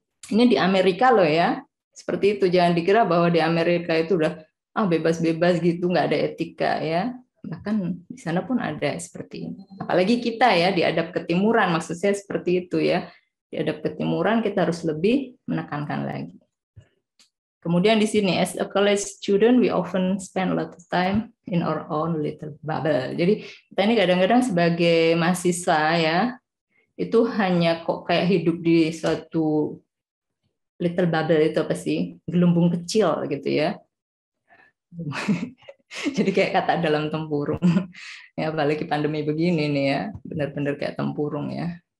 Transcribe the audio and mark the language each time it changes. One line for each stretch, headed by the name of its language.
Indonesian: Ini di Amerika loh ya, seperti itu. Jangan dikira bahwa di Amerika itu udah bebas-bebas gitu, nggak ada etika ya. Bahkan di sana pun ada seperti ini. Apalagi kita ya, di adab ketimuran, maksud saya seperti itu ya. Di adab ketimuran kita harus lebih menekankan lagi. Kemudian di sini,
English: as a college student, we often spend a lot of time in our own little bubble.
Indonesian: Jadi kita ini kadang-kadang sebagai mahasiswa ya, itu hanya kok kayak hidup di suatu
English: little bubble,
Indonesian: itu apa sih, gelembung kecil gitu ya. Jadi kayak kata dalam tempurung ya, apalagi pandemi begini nih ya, benar-benar kayak tempurung ya.